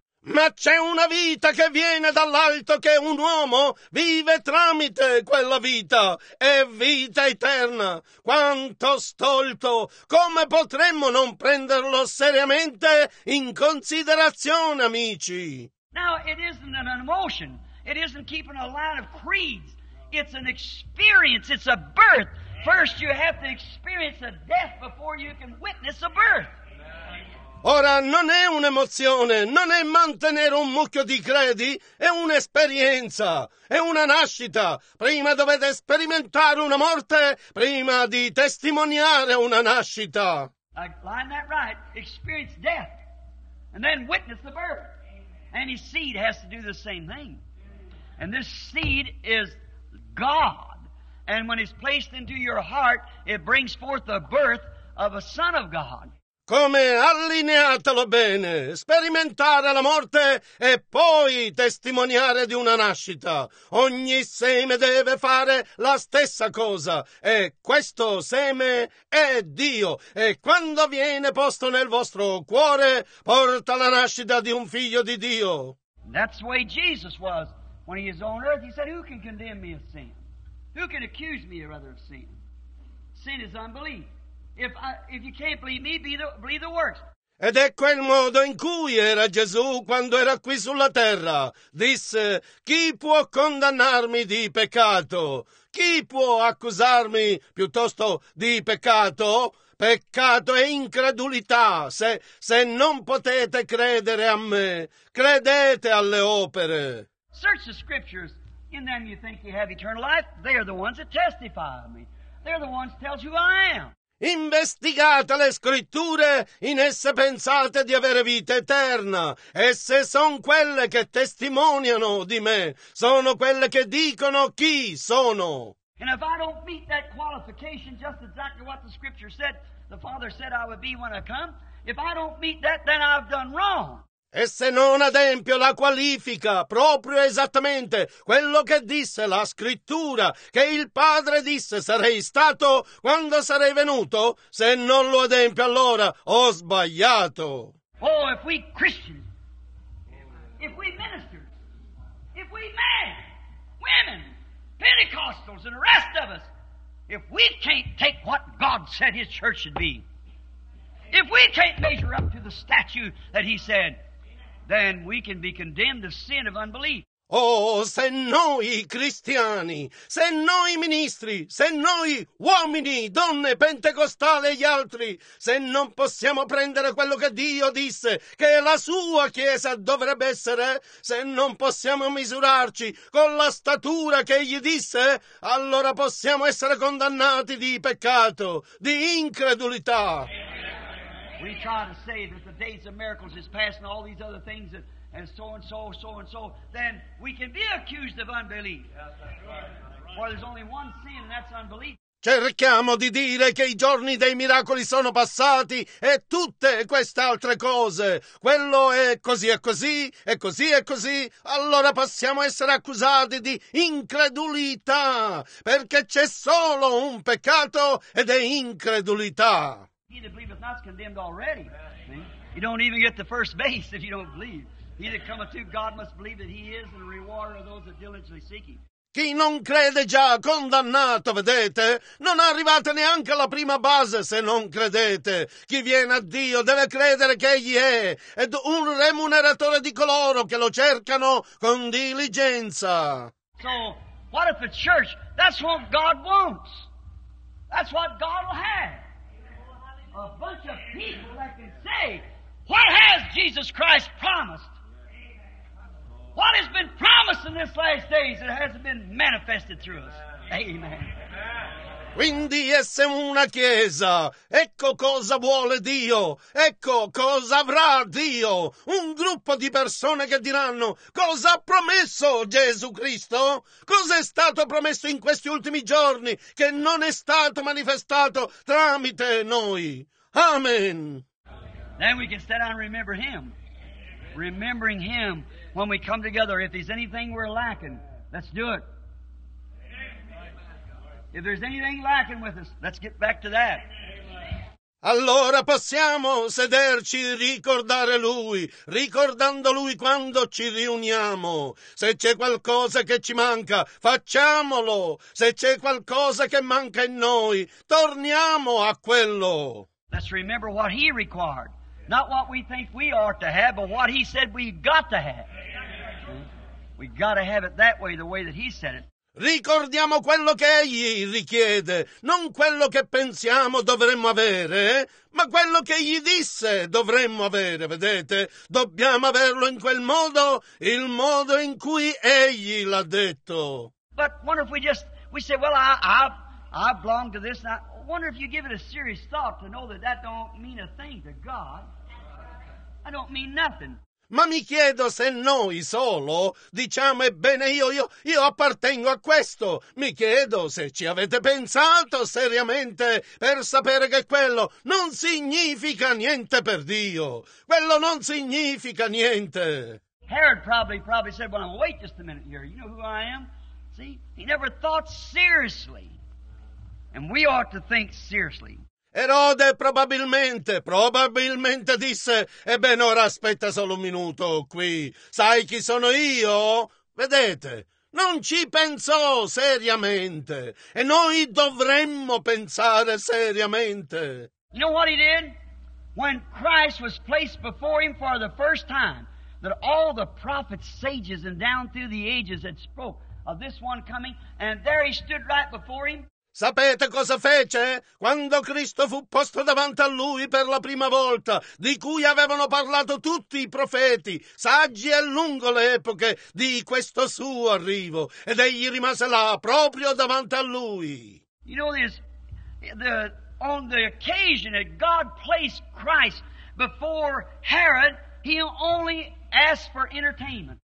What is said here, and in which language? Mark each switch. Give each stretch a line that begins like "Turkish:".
Italian: Ma c'è una vita che viene dall'alto, che un uomo vive tramite quella vita. È vita eterna. Quanto stolto! Come potremmo non prenderlo seriamente in considerazione, amici?
English: Now, it isn't an emotion. It isn't keeping a line of creeds. It's an experience. It's a birth. First you have to experience a death before you can witness a birth.
Italian: Ora, non è un'emozione, non è mantenere un mucchio di credi, è un'esperienza, è una nascita. Prima dovete sperimentare una morte, prima di testimoniare una nascita.
English: I line that right, experience death, and then witness the birth. And his seed has to do the same thing. And this seed is God. And when it's placed into your heart, it brings forth the birth of a son of God.
Italian: Come allineatelo bene, sperimentare la morte e poi testimoniare di una nascita. Ogni seme deve fare la stessa cosa e questo seme è Dio. E quando viene posto nel vostro cuore, porta la nascita di un figlio di Dio.
English: That's the way Jesus was when he was on earth. He said, who can condemn me of sin? Who can accuse me rather of sin? Sin is unbelief. If you can't believe me, believe the works.
Italian: Ed ecco il modo in cui era Gesù quando era qui sulla terra. Disse, chi può condannarmi di peccato? Chi può accusarmi piuttosto di peccato? Peccato è incredulità. Se non potete credere a me, credete alle opere.
English: Search the scriptures. In them you think you have eternal life. They are the ones that testify of me. They are the ones that tell you who I am.
Italian: Investigate le scritture, in esse pensate di avere vita eterna. Esse sono quelle che testimoniano di me, sono quelle che dicono chi sono.
English: And if I don't meet that qualification, just exactly what the scripture said, the Father said I would be when I come. If I don't meet that, then I've done wrong.
Italian: E se non adempio la qualifica, proprio esattamente quello che disse la scrittura, che il Padre disse sarei stato quando sarei venuto, se non lo adempio allora ho sbagliato.
English: Oh, if we Christians, if we ministers, if we men, women, Pentecostals and the rest of us, if we can't take what God said his church should be, if we can't measure up to the statue that he said, then we can be condemned of sin of unbelief.
Italian: Oh, se noi cristiani, se noi ministri, se noi uomini, donne, pentecostali e gli altri, se non possiamo prendere quello che Dio disse, che la sua chiesa dovrebbe essere, se non possiamo misurarci con la statura che egli disse, allora possiamo essere condannati di peccato, di incredulità.
English: We try to say that the days of miracles is past and all these other things and so, then we can be accused of unbelief. Well, there's only one sin, and that's unbelief.
Italian: Cerchiamo di dire che i giorni dei miracoli sono passati e tutte queste altre cose. Quello è così e così, e così e così. Allora possiamo essere accusati di incredulità, perché c'è solo un peccato ed è incredulità.
English: He that believeth not is condemned already. See? You don't even get the first base if you don't believe. He that cometh to God must believe that he is, and the rewarder of those that diligently seek him.
Italian: Chi non crede già condannato, vedete? Non arrivate neanche alla prima base se non credete. Chi viene a Dio deve credere che egli è ed un remuneratore di coloro che lo cercano con diligenza.
English: So, what if the church, that's what God wants. That's what God will have. A bunch of people that can say, what has Jesus Christ promised? What has been promised in this last days that hasn't been manifested through us? Amen.
Italian: Quindi esse una chiesa, ecco cosa vuole Dio, ecco cosa avrà Dio, un gruppo di persone che diranno cosa ha promesso Gesù Cristo, cosa è stato promesso in questi ultimi giorni che non è stato manifestato tramite noi. Amen.
English: Then we can sit down and remember him. Remembering him when we come together, if there's anything we're lacking, let's do it. If there's anything lacking with us, let's get back to that.
Italian: Allora possiamo sederci e ricordare Lui, ricordando Lui quando ci riuniamo. Se c'è qualcosa che ci manca, facciamolo. Se c'è qualcosa che manca in noi, torniamo a quello.
English: Let's remember what He required. Not what we think we ought to have, but what He said we've got to have. We've got to have it that way, the way that He said it.
Italian: Ricordiamo quello che Egli richiede, non quello che pensiamo dovremmo avere, ma quello che Egli disse dovremmo avere, vedete? Dobbiamo averlo in quel modo, il modo in cui Egli l'ha detto.
English: But wonder if we say, well, I belong to this, and I wonder if you give it a serious thought to know that that don't mean a thing to God. I don't mean nothing.
Italian: Ma mi chiedo se noi solo diciamo, ebbene io appartengo a questo. Mi chiedo se ci avete pensato seriamente per sapere che quello non significa niente per Dio. Quello non significa niente.
English: Herod probably said, well, wait just a minute here. You know who I am? See, he never thought seriously. And we ought to think seriously.
Italian: Erode probabilmente disse, ebbene ora aspetta solo un minuto qui, sai chi sono io? Vedete, non ci pensò seriamente, e noi dovremmo pensare seriamente.
English: You know what he did? When Christ was placed before him for the first time, that all the prophets, sages, and down through the ages had spoke of this one coming, and there he stood right before him.
Italian: Sapete cosa fece? Quando Cristo fu posto davanti a lui per la prima volta, di cui avevano parlato tutti i profeti, saggi e lungo le epoche di questo suo arrivo, ed egli rimase là, proprio davanti a lui.
English: You know this, on the occasion that God placed Christ before Herod, he only asked for entertainment.